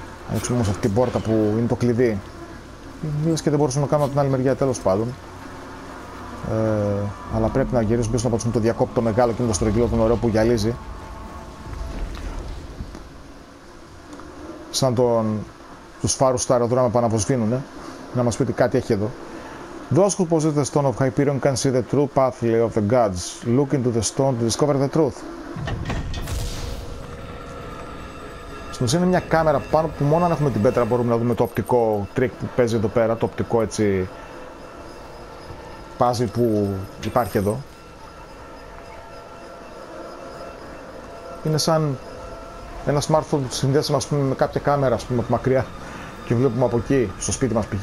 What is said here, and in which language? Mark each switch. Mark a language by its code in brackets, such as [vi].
[el] Ανοίξουμε όμως αυτή την πόρτα που είναι το κλειδί. Λες και δεν μπορούσαμε να κάνουμε από την άλλη μεριά, τέλος πάντων. Αλλά πρέπει να γυρίσουμε πίσω να πατήσουμε το διακόπτο μεγάλο και το στρογγυλό τον ωραίο που γυαλίζει. Σαν τον... τους φάρους στα αεροδρόμια που αναβοσβήνουνε. Να μας πει ότι κάτι έχει εδώ. [en] Those who possess the stone of Hyperion can see the true path of the gods. Look into the stone to discover the truth. [el] Στην ουσία είναι μια κάμερα πάνω που μόνο αν έχουμε την πέτρα μπορούμε να δούμε το οπτικό trick που παίζει εδώ πέρα, το οπτικό έτσι puzzle που υπάρχει εδώ. Είναι σαν ένα smartphone που συνδέσαμε, ας πούμε, με κάποια κάμερα, ας πούμε, από μακριά και βλέπουμε από εκεί, στο σπίτι μας, π.χ.